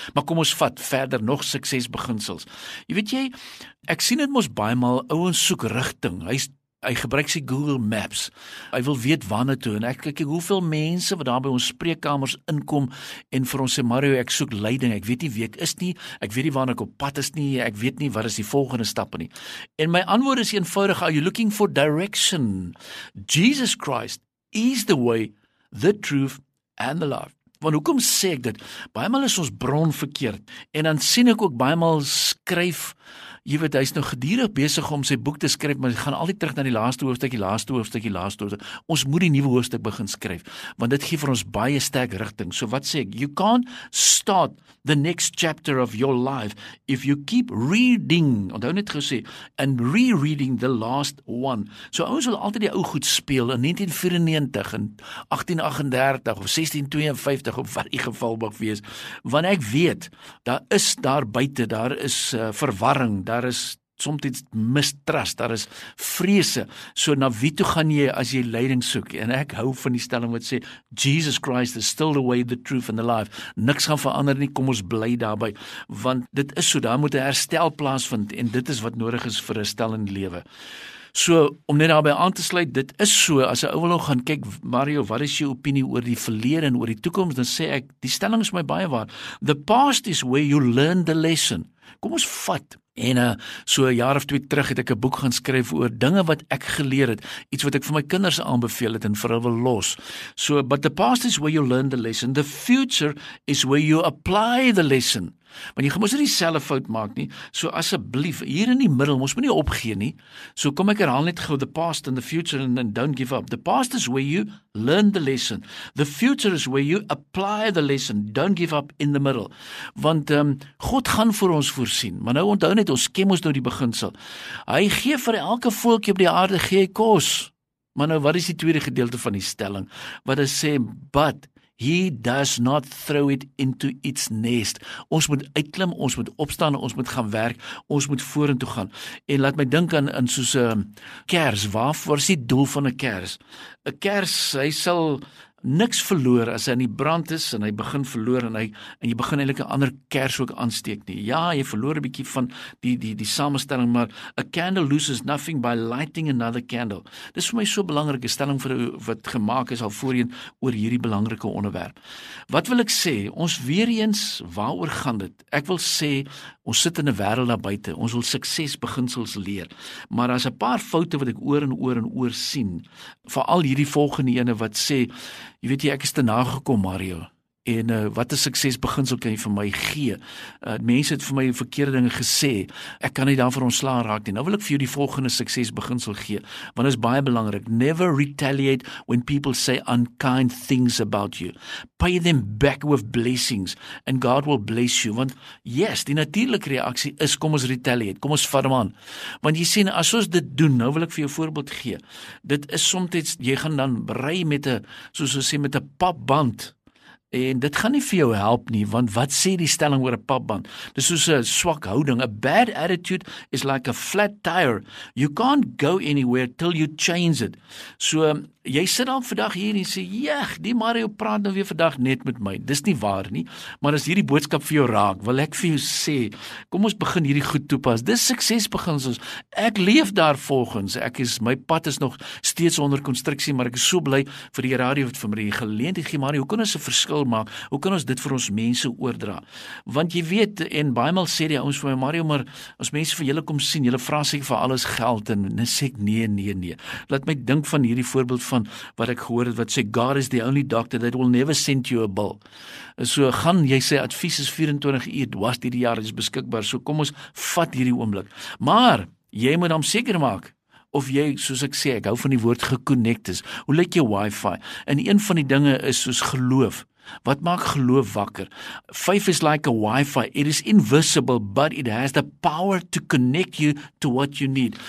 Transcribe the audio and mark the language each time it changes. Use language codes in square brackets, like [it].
[af] Maar kom ons vat verder nog suksesbeginsels. Jy weet jy, ek sien dit mos baie maal, ouens soek rigting. Hy gebruik sy Google Maps. Hy wil weet waar na toe en ek kyk hoeveel mense wat daar by ons spreekkamers inkom en vir ons sê Mario, ek soek leiding. Ek weet nie wie ek is nie. Ek weet nie waar ek op pad is nie. Ek weet nie wat is die volgende stappe nie. En my antwoord is eenvoudig, [en] are you looking for direction? Jesus Christ is the way, the truth and the life. [af] Want hoekom sê ek dit? Baie maal is ons bron verkeerd. En dan sien ek ook baie maal skryf, jy weet, hy is nou gedurig besig om sy boek te skryf, maar hy gaan altyd terug na die laaste hoofstuk, die laaste hoofstuk, die laaste hoofstuk. Ons moet die nuwe hoofstuk begin skryf, want dit gee vir ons baie sterk rigting. So wat sê ek? [en] You can't start the next chapter of your life if you keep reading, [af] onthou net gesê, [en] and re-reading the last one. [af] So ons wil altyd die ou goed speel in 1994 en 1838 of 1652 of wat die geval mag wees. Want ek weet, daar is daar buite, daar is verwarring, daar is soms mistrust, daar is vrese. So na wie toe gaan jy as jy leiding soek? En ek hou van die stelling wat sê, [en] Jesus Christ is still the way, the truth and the life. [af] Niks gaan verander nie, kom ons bly daarby. Want dit is so, daar moet 'n herstel plaasvind en dit is wat nodig is vir 'n herstellende lewe. So, om net daarby aan te sluit, dit is so, as 'n ou wil gaan kyk, Mario, wat is jou opinie oor die verlede en oor die toekoms, dan sê ek, die stelling is my baie waar. [en] The past is where you learn the lesson. [af] Kom ons vat. En so 'n jaar of twee terug het ek 'n boek gaan skryf oor dinge wat ek geleer het, iets wat ek vir my kinders aanbeveel het en vir hulle wil los. [en] So, but the past is where you learn the lesson, the future is where you apply the lesson. [af] Want jy moes nie dieselfde fout maak nie, so asseblief, hier in die middel, ons moet nie opgee nie, so kom ek herhaal net gou, [en] the past and the future and don't give up. The past is where you learn the lesson, the future is where you apply the lesson, don't give up in the middle. [af] Want God gaan vir ons voorsien, maar nou onthou net, ons ken ons nou die beginsel, hy gee vir elke volkie op die aarde, gee hy kos. Maar nou, wat is die tweede gedeelte van die stelling, wat hy sê, [en] but, he does not throw it into its nest. [af] Ons moet uitklim, ons moet opstaan, ons moet gaan werk, ons moet vorentoe gaan. En laat my dink aan in soos 'n kers. Waarvoor is die doel van 'n kers? 'n Kers, hy sal niks verloor as hy in die brand is en hy begin verloor en jy begin eintlik 'n ander kers ook aansteek nie. Ja, jy verloor 'n bietjie van die samestelling, maar [en] a candle loses nothing by lighting another candle. [af] Dis vir my so belangrike stelling vir wat gemaak is al voorheen oor hierdie belangrike onderwerp. Wat wil ek sê? Ons weer eens, waaroor gaan dit? Ek wil sê, ons sit in 'n wêreld daar buite, ons wil suksesbeginsels leer, maar daar's 'n paar foute wat ek oor en oor en oor sien, veral hierdie volgende ene wat sê, jy weet jy, ek is te nagekom, Mario, en wat 'n suksesbeginsel kan jy vir my gee? Mense het vir my verkeerde dinge gesê, ek kan nie daarvan ontslaan raak nie. Nou wil ek vir jou die volgende suksesbeginsel gee, want dit is baie belangrik. [en] Never retaliate when people say unkind things about you. Pay them back with blessings and God will bless you. [af] Want yes, die natuurlike reaksie is, kom ons retaliate, kom ons vat hom aan. Want jy sien, as ons dit doen, nou wil ek vir jou voorbeeld gee, dit is soms, jy gaan dan brei met 'n, soos ons sê, met 'n papband, en dit gaan nie vir jou help nie, want wat sê die stelling oor 'n papband? Dis soos 'n swak houding. [en] A bad attitude is like a flat tire. You can't go anywhere till you change it. So, [af] jy sit dan vandag hier en sê, jeg, die Mario praat nou weer vandag net met my. Dis nie waar nie, maar as hierdie boodskap vir jou raak, wil ek vir jou sê, kom ons begin hierdie goed toepas. Dis suksesbeginsels. Ek leef daar volgens. My pad is nog steeds onder konstruksie, maar ek is so bly vir die radio wat vir my die geleentheid gee, Mario. Hoe kan ons 'n verskil maak? Hoe kan ons dit vir ons mense oordra? Want jy weet, en baie mal sê die ouens vir my, Mario, maar as mense vir julle kom sien, julle vra seker vir alles geld, en dan sê ek, nee. Laat my dink van hierdie voorbeeld van wat ek gehoor het, wat sê, [en] God is the only doctor that will never send you a bill. [af] So, gaan jy sê, advies is 24 uur, was die jaar is beskikbaar, so kom ons vat hierdie oomblik. Maar, jy moet hom seker maak, of jy, soos ek sê, ek hou van die woord geconnect is, hoe lyk jou wifi? En een van die dinge is soos geloof. Wat maak geloof wakker? [en] Faith is like a wifi. It is invisible, but it has the power to connect you to what you need.